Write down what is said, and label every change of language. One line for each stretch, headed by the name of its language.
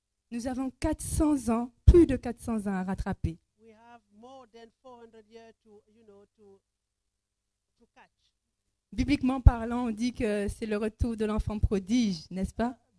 French: Nous avons 400 ans, plus de 400 ans à rattraper.
English: We have more than 400 years to, you know, to
French: bibliquement parlant, on dit que c'est le retour de l'enfant prodige, n'est-ce pas?